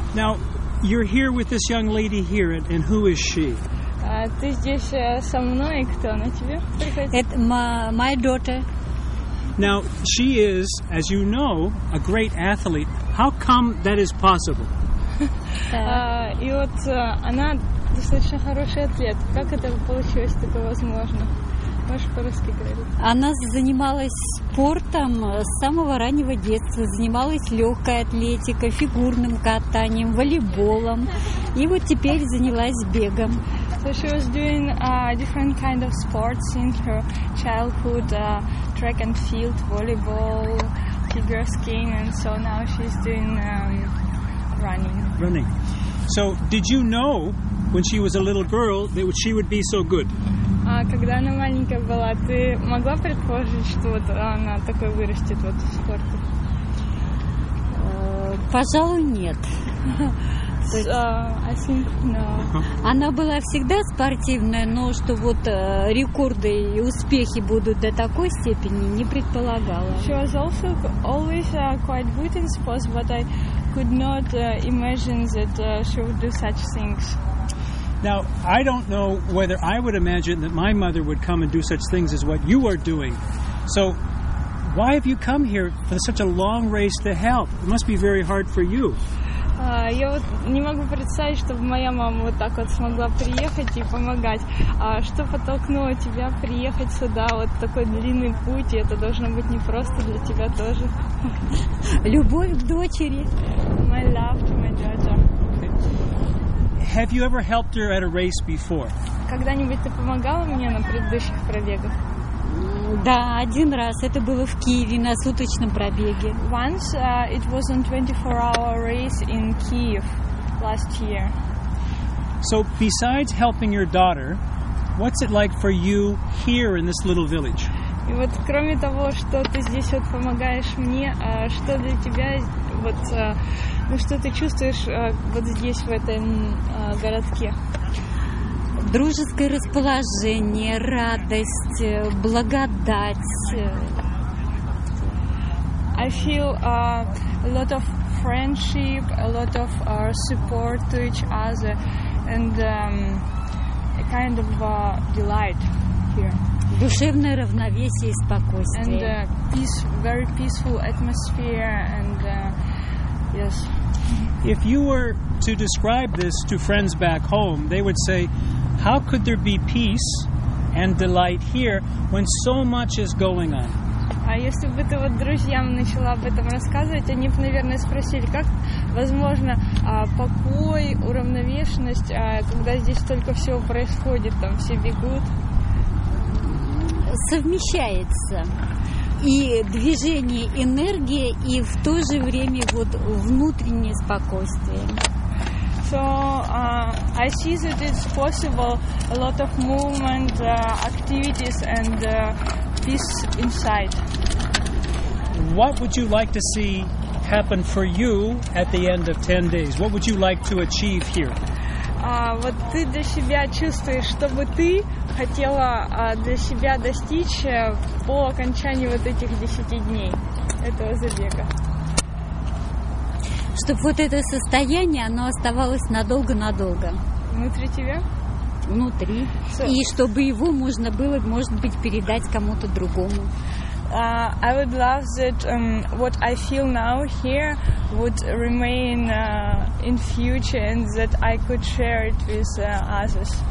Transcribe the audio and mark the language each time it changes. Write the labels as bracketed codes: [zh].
[en] Now, you're here with this young lady here, and who is she? [ru] Ты здесь со мной, кто она тебе? Это [en] my daughter. Now, she is, as you know, a great athlete. How come that is possible? [ru] И вот она достаточно хороший атлет. Как это получилось, это возможно? Можешь по-русски говорить? Она занималась спортом с самого раннего детства. Занималась легкой атлетикой, фигурным катанием, волейболом. И вот теперь занялась бегом. [en] So she was doing different kind of sports in her childhood, track and field, volleyball, figure skating, and so now she's doing running. So did you know when she was a little girl that she would be so good? [ru] Когда она маленькая была, ты могла предположить, что вот она такой вырастет вот в спорте? Пожалуй, нет. [en] I think no. [ru] Она была всегда спортивная, но что вот рекорды и успехи будут до такой степени, не предполагала. [en] She was also always quite good in sports, but I could not imagine that she would do such things. Now, I don't know whether I would imagine that my mother would come and do such things as what you are doing. So, why have you come here for such a long race to help? It must be very hard for you. [ru] Я вот не могу представить, чтобы моя мама вот так вот смогла приехать и помогать. Что подтолкнуло тебя приехать сюда, вот такой длинный путь, и это должно быть непросто для тебя тоже? Любовь к дочери. [en] My love to my daughter. Have you ever helped her at a race before? [ru] Когда-нибудь ты помогала мне на предыдущих пробегах? Да, один раз. Это было в Киеве на суточном пробеге. [en] Once it was on 24-hour race in Kyiv last year. So besides helping your daughter, what's it like for you here in this little village? [ru] И вот кроме того, что ты здесь вот помогаешь мне, что для тебя вот что ты чувствуешь вот здесь в этом городке? Дружеское расположение, радость, благодать. [en] I feel a lot of friendship, a lot of support to each other, and a kind of delight here. [ru] Душевное равновесие и спокойствие. [en] And peace, very peaceful atmosphere, and yes. If you were to describe this to friends back home, they would say, how could there be peace and delight here when so much is going on? [ru] А если бы ты вот друзьям начала об этом рассказывать, они бы, наверное, спросили, как возможно покой, уравновешенность, когда здесь столько всего происходит, там все бегут. Совмещается и движение, энергия, и в то же время вот внутреннее спокойствие. [en] So I see that it's possible a lot of movement, activities, and peace inside. What would you like to see happen for you at the end of 10 days? What would you like to achieve here? [ru] Вот ты для себя чувствуешь, что бы ты хотела для себя достичь по окончании вот этих 10 дней этого забега? Чтобы вот это состояние, оно оставалось надолго-надолго. Внутри тебя? Внутри. So, и чтобы его можно было, может быть, передать кому-то другому. [en] I would love that what I feel now here would remain in future and that I could share it with others.